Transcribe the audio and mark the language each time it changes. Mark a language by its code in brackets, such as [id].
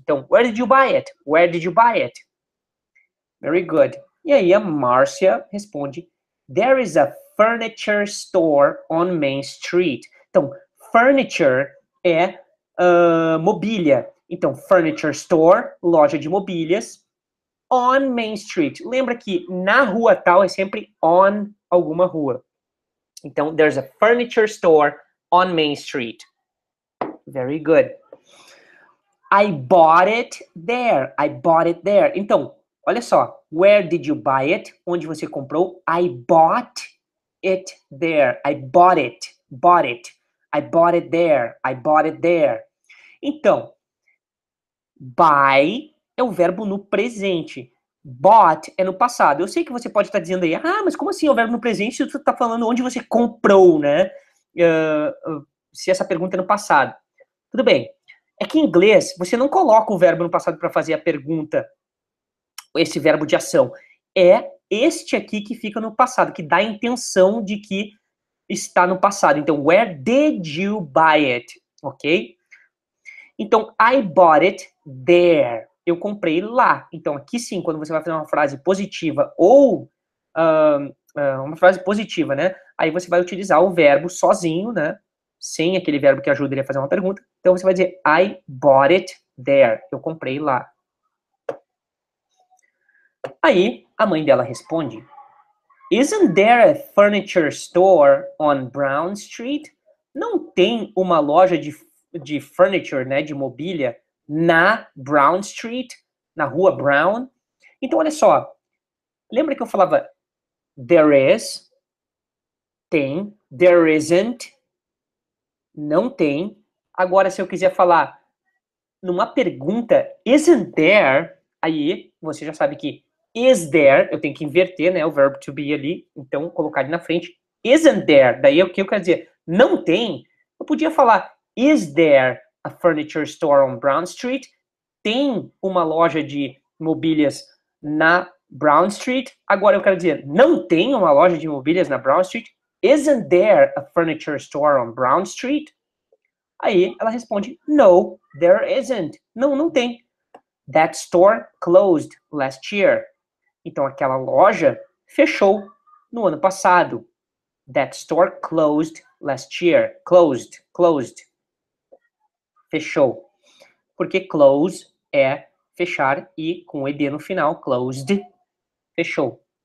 [en] Então, where did you buy it? Where did you buy it? Very good. [pt] E aí a Márcia responde, [en] there is a furniture store on Main Street. [pt] Então, furniture é mobília. [en] Então, furniture store, [pt] loja de mobílias, [en] on Main Street. [pt] Lembra que na rua tal é sempre on alguma rua. [en] Então, there's a furniture store on Main Street. Very good. I bought it there. I bought it there. [pt] Então, olha só. [en] Where did you buy it? [pt] Onde você comprou? [en] I bought it there. I bought it. Bought it. I bought it there. I bought it there. [pt] Então, buy é o verbo no presente. Bought é no passado. Eu sei que você pode estar dizendo aí, ah, mas como assim é o verbo no presente se você está falando onde você comprou, né? Se essa pergunta é no passado. Tudo bem. É que em inglês, você não coloca o verbo no passado para fazer a pergunta, esse verbo de ação. É este aqui que fica no passado, que dá a intenção de que está no passado. [en] Então, where did you buy it? Ok? Então, I bought it there. [pt] Eu comprei lá. Então, aqui sim, quando você vai fazer uma frase positiva ou uma frase positiva, né? Aí você vai utilizar o verbo sozinho, né? Sem aquele verbo que ajuda ele a fazer uma pergunta. Então, você vai dizer, [en] I bought it there. [pt] Eu comprei lá. Aí, a mãe dela responde, [en] isn't there a furniture store on Brown Street? [pt] Não tem uma loja de furniture, né, de mobília, na Brown Street, na rua Brown? Então, olha só. Lembra que eu falava, [en] there is, [pt] tem, [en] there isn't, [pt] não tem. Agora, se eu quiser falar numa pergunta, [en] isn't there, [pt] aí você já sabe que [en] is there, eu tenho que inverter, né, o verbo to be ali, então colocar ali na frente, isn't there, daí o que eu quero dizer, não tem, eu podia falar, is there a furniture store on Brown Street? [pt] Tem uma loja de mobílias na Brown Street? Agora eu quero dizer, não tem uma loja de mobílias na Brown Street? [en] Isn't there a furniture store on Brown Street? [pt] Aí ela responde, [en] no, there isn't. [pt] Não, não tem. [en] That store closed last year. [pt] Então aquela loja fechou no ano passado. [en] That store closed last year. Closed, closed. Fechou. [pt] Porque close é fechar e com ED no final, closed, fechou.